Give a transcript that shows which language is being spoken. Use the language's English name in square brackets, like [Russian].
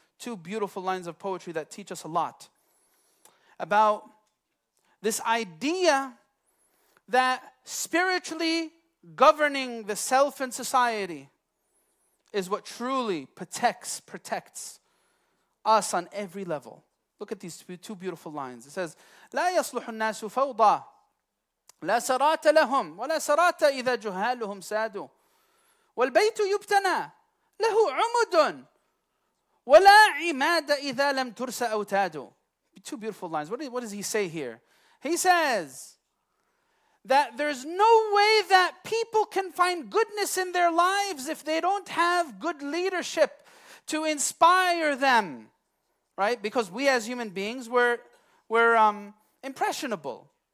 [English] Two beautiful lines of poetry that teach us a lot about this idea that spiritually governing the self and society is what truly protects us on every level. Look at these two beautiful lines. It says, [Arabic] لا يصلح الناس فوضى لا سرات لهم ولا سرات إذا جهالهم سادوا والبيت يبتنى له عمد ولا عماد إذا لم ترس أوتادوا. [English] Two beautiful lines. What does he say here? He says that there's no way that people can find goodness in their lives if they don't have good leadership to inspire them. Right? Because we as human beings, we're impressionable.